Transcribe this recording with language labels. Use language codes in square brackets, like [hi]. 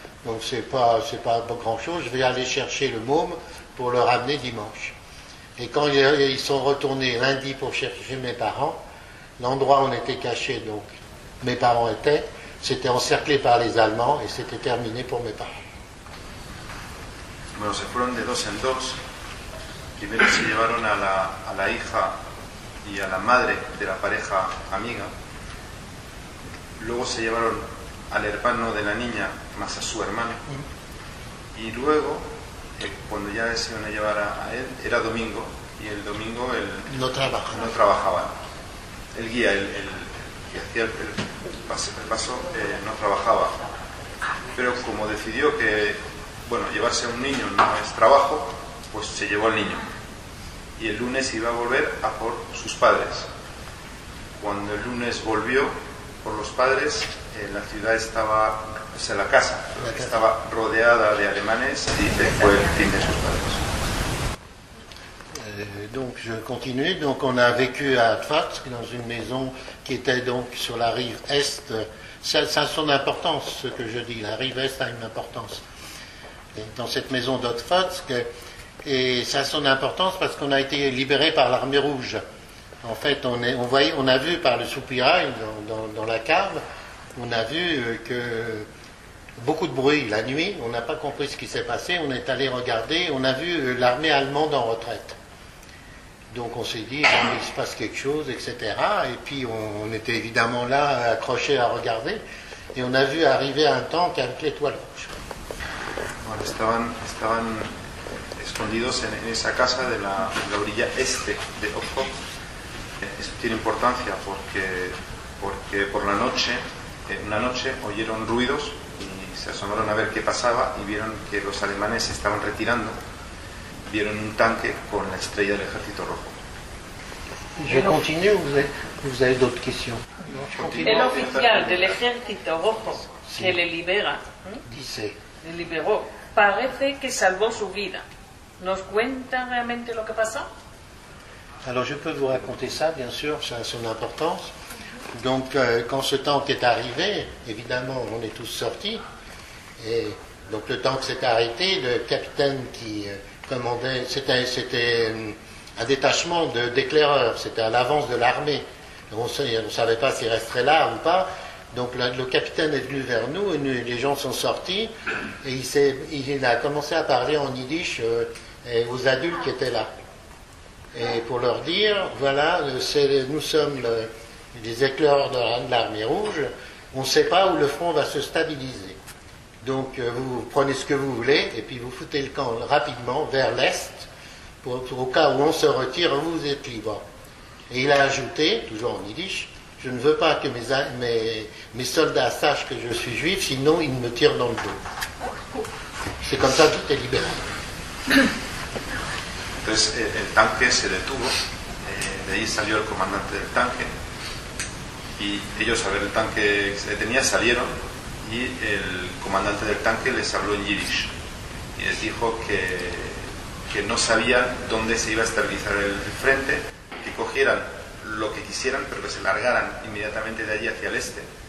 [fr] Donc c'est pas grand chose. Je vais aller chercher le môme pour le ramener dimanche. Et quand ils sont retournés lundi pour chercher mes parents, l'endroit où on était cachés, donc mes parents étaient, c'était encerclé par les Allemands et c'était terminé pour mes parents. [es] Bueno, se fueron de dos en dos. Primero se llevaron a la hija y a la madre de la pareja amiga. Luego se llevaron al hermano de la niña más a su hermana. Y luego, cuando ya se iban a llevar a él, era domingo, y el domingo él no trabajaba. El guía, el que hacía el paso, no trabajaba. Pero como decidió que, bueno, llevarse a un niño no es trabajo, pues se llevó al niño. Y el lunes iba a volver a por sus padres. Cuando el lunes volvió por los padres, la ciudad estaba, o sea, la casa estaba rodeada de alemanes, y fue el fin de sus padres. [fr] Donc je continue. Donc on a vécu à Otfotsk dans une maison qui était donc sur la rive est. Ça a son importance ce que je dis. La rive est a une importance. Et dans cette maison d'Otfotsk, et ça a son importance parce qu'on a été libéré par l'armée rouge. En fait, on a vu par le soupirail dans la cave. On a vu que beaucoup de bruit la nuit, on n'a pas compris ce qui s'est passé, on est allé regarder, on a vu l'armée allemande en retraite. Donc on s'est dit, il se passe quelque chose, etc. Et puis on était évidemment là, accrochés à regarder, et on a vu arriver un tank avec l'étoile rouge. [es] Bueno, estaban escondidos en esa casa de la orilla este de Ojotsk. Esto tiene importancia porque por la noche, una noche oyeron ruidos y se asomaron a ver qué pasaba y vieron que los alemanes se estaban retirando. Vieron un tanque con la estrella del Ejército Rojo. [fr] Je continue, vous avez d'autres questions. [es] El oficial del Ejército Rojo que le libera, le liberó, parece que salvó su vida. ¿Nos cuenta realmente lo que pasó? [fr] Alors, je peux vous raconter ça, bien sûr, ça a son importance. Donc, quand ce tank est arrivé, évidemment, on est tous sortis. Et donc, le tank s'est arrêté. Le capitaine qui commandait, c'était un détachement d'éclaireurs. C'était à l'avance de l'armée. On savait pas s'il resterait là ou pas. Donc, le capitaine est venu vers nous et nous, les gens sont sortis. Et il a commencé à parler en yiddish aux adultes qui étaient là. Et pour leur dire, voilà, nous sommes les éclaireurs de l'armée rouge, on ne sait pas où le front va se stabiliser. Donc vous prenez ce que vous voulez, et puis vous foutez le camp rapidement vers l'est, pour au cas où on se retire, vous êtes libre. Et il a ajouté, toujours en yiddish, je ne veux pas que mes soldats sachent que je suis juif, sinon ils me tirent dans le dos. C'est comme ça que tout est libéré. [es] Entonces el tanque se detuvo, de ahí salió el comandante del tanque y ellos al ver el tanque que se detenía salieron y el comandante del tanque les habló en yiddish y les dijo que no sabía dónde se iba a estabilizar el frente, que cogieran lo que quisieran pero que se largaran inmediatamente de allí hacia el este